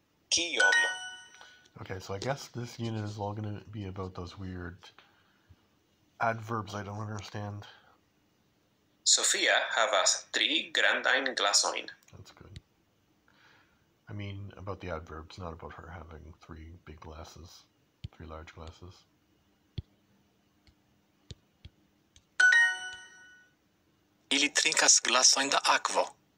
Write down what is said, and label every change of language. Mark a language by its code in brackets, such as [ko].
[eo] kiom. [en] Okay, so I guess this unit is all going to be about those weird adverbs I don't understand. [eo] Sophia havas tri grandajn glasojn. [en] That's good. I mean, about the adverbs, not about her having three big glasses, three large glasses. [eo] Ili trinkas glasojn da akvo.